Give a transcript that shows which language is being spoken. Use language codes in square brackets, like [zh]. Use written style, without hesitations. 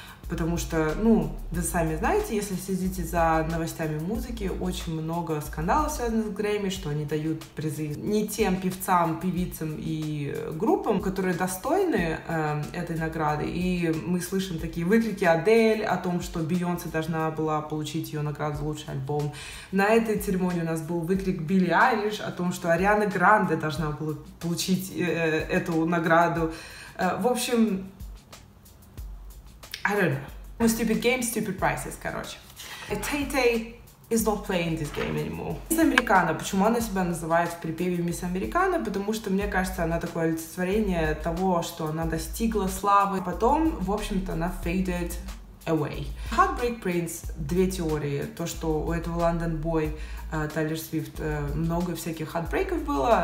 [ru] Потому что, ну, вы сами знаете, если следите за новостями музыки, очень много скандалов связано с Грэмми, что они дают призы не тем певцам, певицам и группам, которые достойны этой награды. И мы слышим такие выкрики Адель о том, что Бейонсе должна была получить ее награду за лучший альбом. На этой церемонии у нас был выкрик Билли Айлиш о том, что Ариана Гранде должна была получить эту награду. В общем, [en] I don't know. Stupid games, stupid prices, короче. Tay-Tay is not playing this game anymore. Miss Americana. [ru] Почему она себя называет в припеве Miss Americana? Потому что, мне кажется, она такое олицетворение того, что она достигла славы. Потом, в общем-то, она [en] faded away. [ru] Heartbreak Prince. Две теории. То, что у этого London Boy, Тайлер Свифт, много всяких heartbreak'ов было.